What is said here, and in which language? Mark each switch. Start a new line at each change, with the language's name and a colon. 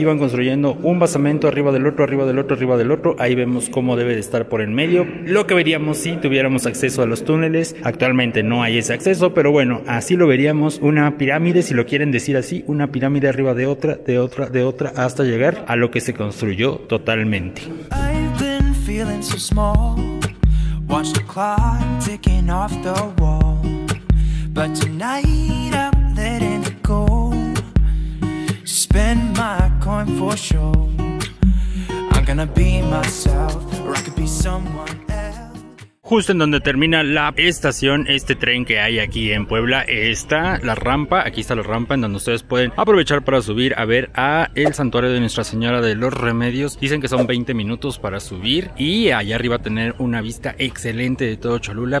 Spanish: Iban construyendo un basamento arriba del otro, arriba del otro, arriba del otro. Ahí vemos cómo debe de estar por en medio. Lo que veríamos si tuviéramos acceso a los túneles. Actualmente no hay ese acceso, pero bueno, así lo veríamos. Una pirámide, si lo quieren decir así, una pirámide arriba de otra, de otra, de otra, hasta llegar a lo que se construyó totalmente.
English: I've been feeling so small. Watch the clock ticking off the wall. But tonight I'm letting it go. Spend my coin for show. I'm gonna be myself, or I could be someone.
Spanish: Justo en donde termina la estación, este tren que hay aquí en Puebla, está la rampa. Aquí está la rampa en donde ustedes pueden aprovechar para subir a ver a el santuario de Nuestra Señora de los Remedios. Dicen que son 20 minutos para subir y allá arriba tener una vista excelente de todo Cholula.